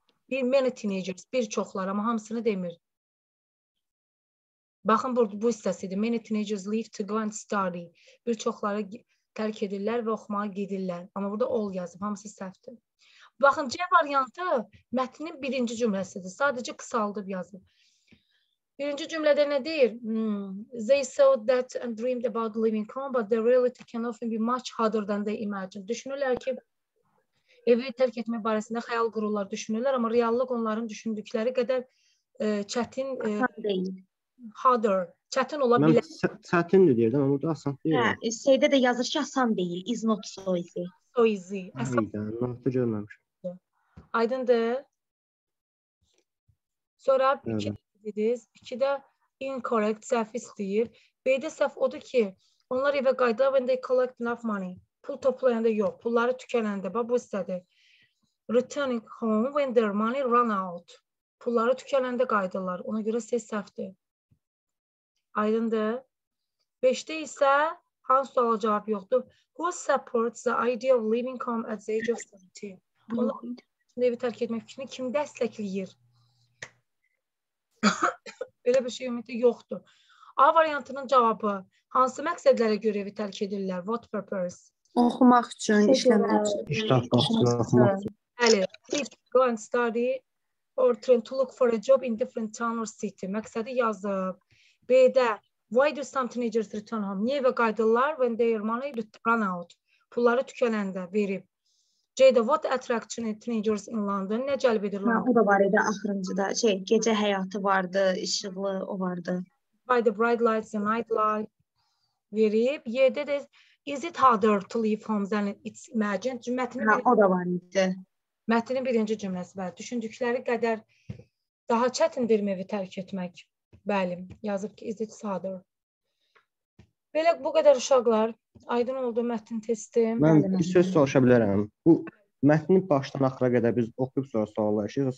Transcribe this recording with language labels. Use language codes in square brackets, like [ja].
[az] Bir [en] many teenagers, [az] bir çoxlar, amma hamısını demir. Baxın, burada bu hissəsidir. [en] Many teenagers leave to go and study. [az] Bir çoxları tərk edirlər və oxumağa gedirlər. Amma burada all yazıb, hamısı səhvdir. Baxın, C variantı mətnin birinci cümləsidir. Sadəcə qısaldıb yazıb. Birinci cümlədə nə deyir? [en] They thought that and dreamed about living home, but the reality can often be much harder than they imagined. [az] Düşünürlər ki, evi tərk etmək barəsində xəyal qururlar, düşünürlər, amma reallıq onların düşündükləri qədər çətin harder, çətin ola bilər. Çətindir deyirdim, amma da asan deyil. Hə, şeydə də yazır ki, asan deyil. [en] It's not so easy. So easy. [az] Aydın, notu görməmişəm. Sonra iki dediniz. İki də incorrect, səhv istəyir. B-də səhv odur ki, onlar evə qayıdılar [en] when they collect enough money. [az] Pul toplayanda yox, pulları tükənəndə. Bax, bu istədi. [en] Returning home when their money run out. [az] Pulları tükənəndə qayıdırlar. Ona görə ses səhvdir. Aydındır. Beşdə isə hansı suala cavab yoxdur? [en] Who supports the idea of leaving home at the age of 70? [az] Onların evi tərk etmək fikrini kim dəstəkləyir? Belə bir şey ümumiyyətlə yoxdur. A variantının cavabı. Hansı məqsədlərə görə evi tərk edirlər? [en] What purpose? [az] Oxumaq üçün, işləmək üçün. İş tapmaq üçün. Bəli. [en] Go and study or try to look for a job in different town or city. [az] Məqsədi yazıb. B-də. [en] Why do some teenagers return home? [az] Niyə evə qayıdırlar? [en] When their money run out. [az] Pulları tükənəndə verib. C-də. [en] What attraction teenagers in London? [az] Nə cəlb edirlər? O da var idi axırıncıda. Şey, gecə həyatı vardı, işıqlı o vardı. [en] By the bright lights, the night light [az] verib. Y-də də. [en] Is it harder to leave home than it's imagined? [az] Cümlətinin o da var idi. Mətnin birinci cümləsi var. Düşündükləri qədər daha çətindir evi tərk etmək. Bəli, yazıb ki, [en] is it harder? [az] Belə bu qədər uşaqlar. Aydın oldu mətnin testi. Mən bir söz soruşa bilərəm. Bu mətni başdan axıra qədər biz oxuyub sonra suallaşırıq.